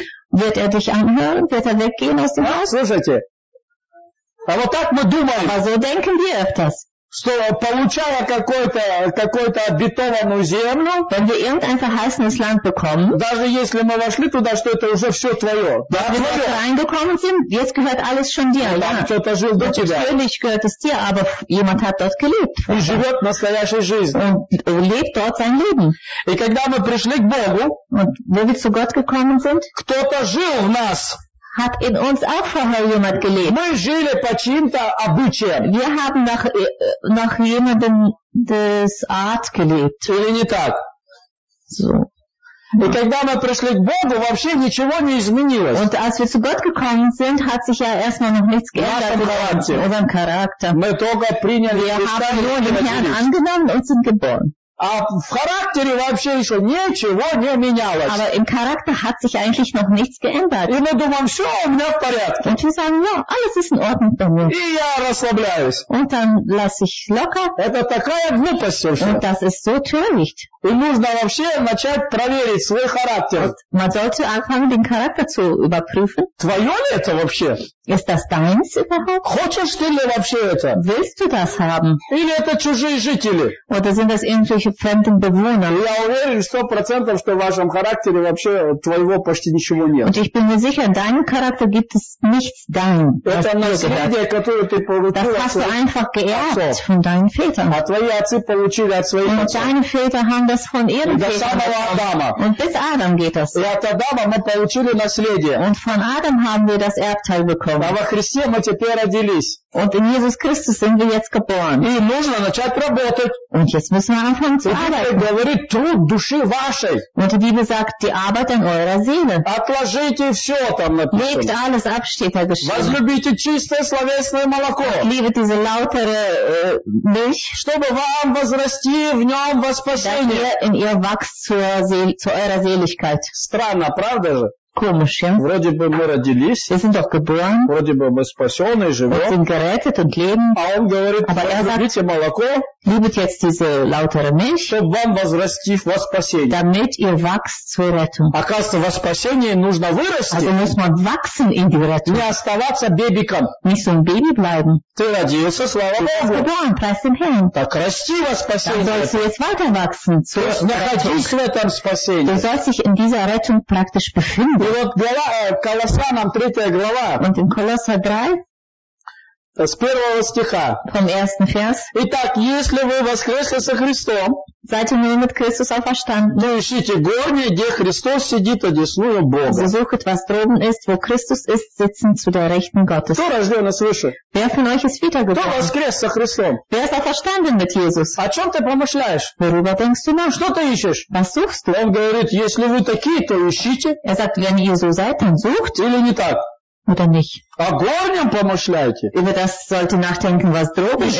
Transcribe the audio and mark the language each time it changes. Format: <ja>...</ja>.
<de>Wird er dich anhören? Wird er weggehen aus dem Haus?</de> <ru>Слушайте, а вот так мы думаем.</ru> <de>Also denken wir öfters.</de> <ru>Что получая какую-то обетованную землю,</ru> <de>wenn wir irgendein verheißenes Land bekommen,</de> <ru>даже если мы вошли туда, что это уже все твое,</ru> <de>да, wenn wir reingekommen sind, jetzt gehört alles schon dir, ja,</de> <ru>кто-то жил до тебя,</ru> <de>natürlich gehört es dir, aber jemand hat dort gelebt,</de> <ru>и живет настоящей жизнью,</ru> <de>und lebt dort sein Leben,</de> <ru>и когда мы пришли к Богу,</ru> <de>und wo wir zu Gott gekommen sind,</de> <ru>кто-то жил в нас.</ru> <de>Hat in uns auch vorher jemand gelebt.</de> <ru>Мы жили по чьим-то обычаям.</ru> <de>Wir haben nach jemandem des Art gelebt.</de> <ru>Или не так?</ru> <de>So.</de> <ru>И когда мы пришли к Богу, вообще ничего не изменилось.</ru> <de>Und als wir zu Gott gekommen sind, hat sich ja erstmal noch nichts geändert in unserem Charakter.</de> <ru>Мы только приняли</ru> <de>Wir haben nur den Herrn angenommen und sind geboren.</de> <ru>А в характере вообще еще ничего не менялось.</ru> <de>Aber im Charakter hat sich eigentlich noch nichts geändert.</de> <ru>И мы думаем, все у меня в порядке.</ru> <de>Und wir sagen, ja, alles ist in Ordnung bei mir.</de> <ru>И я расслабляюсь.</ru> <de>Und dann lasse ich locker.</de> <ru>Это такая глупость вообще.</ru> <de>Und das ist so töricht.</de> <ru>И нужно вообще начать проверить свой характер.</ru> <de>Und man sollte anfangen, den Charakter zu überprüfen.</de> <ru>Твое ли это вообще?</ru> <de>Ist das deins überhaupt?</de> <ru>Хочешь ты ли вообще это?</ru> <de>Willst du das haben?</de> <ru>Или это чужие жители?</ru> <de>Oder sind das irgendwelche irgendwelche fremden Bewohner.</de> <ru>Я уверен 100%, что в вашем характере вообще твоего почти ничего нет.</ru> <de>Und ich bin mir sicher, in deinem Charakter gibt es nichts dein.</de> <ru>Это наследие, которое ты получил.</ru> <de>Das hast du einfach geerbt von deinen Vätern.</de> <ru>А твои отцы получили от своих отцов.</ru> <de>Und deine Väter haben das von ihren Vätern. Und bis Adam geht das.</de> <ru>И от Адама мы получили наследие.</ru> <de>Und von Adam haben wir das Erbteil bekommen.</de> <ru>А во Христе мы теперь родились.</ru> <de>Und in Jesus Christus sind wir jetzt geboren.</de> <ru>И нужно начать работать.</ru> <de>Und jetzt müssen wir anfangen zu arbeiten.</de> <ru>И говорит труд души вашей.</ru> <de>Und die Bibel sagt, die Arbeit an eurer Seele.</de> <ru>Отложите все там написано.</ru> <de>Legt alles ab, steht da geschrieben.</de> <ru>Возлюбите чистое словесное молоко.</ru> <de>Liebe diese lautere Milch.</de> <ru>Чтобы вам возрасти в нем во спасение.</ru> <de>Dass ihr in ihr wächst zu eurer Seligkeit.</de> <ru>Странно, правда же?</ru> <de>Komisch, ja?</de> <ru>Вроде бы мы родились.</ru> <de>Wir sind doch geboren.</de> <ru>Вроде бы мы спасены и живем.</ru> <de>Wir sind gerettet und leben.</de> <ru>А он говорит, возлюбите молоко.</ru> <de>Liebet jetzt diese lautere Milch.</de> <ru>Чтобы вам возрасти во спасение.</ru> <de>Damit ihr wächst zur Rettung.</de> <ru>Оказывается, во спасение нужно вырасти.</ru> <de>Also muss man wachsen in die Rettung.</de> <ru>Не оставаться бебиком.</ru> <de>Nicht so ein Baby bleiben.</de> <ru>Ты родился, слава Богу.</ru> <de>Du bist geboren, preis dem Herrn.</de> <ru>Так расти во спасение.</ru> <de>Dann sollst du jetzt weiter wachsen zur Rettung.</de> <ru>Находись в этом спасении.</ru> <de>Du sollst dich in dieser Rettung praktisch befinden.</de> <ru>И вот глава, Колоссянам, третья глава.</ru> <de>Und in Kolosser 3.</de> <ru>С первого стиха.</ru> <de>Vom ersten Vers.</de> <ru>Итак, если вы воскресли со Христом,</ru> <de>seid ihr mit Christus auferstanden.</de> <ru>Вы ищите горнее, где Христос сидит, одесную Бога.</ru> <de>So suchet, was droben ist, wo Christus ist, sitzen zu der Rechten Gottes.</de> <ru>Кто рожден свыше?</ru> <de>Wer von euch ist wiedergeboren?</de> <ru>Кто воскрес со Христом?</ru> <de>Wer ist auferstanden mit Jesus?</de> <ru>О чем ты промышляешь?</ru> <de>Worüber denkst du nach?</de> <ru>Что ты ищешь?</ru> <de>Was suchst du?</de> <ru>Он говорит, если вы такие, то ищите.</ru> <de>Er sagt, wenn ihr so seid, dann sucht.</de> <ru>Или не так?</ru> <de>Oder nicht.</de> <ru>О горнем помышляйте.</ru> <de>Über das sollte nachdenken, was droben ist.</de>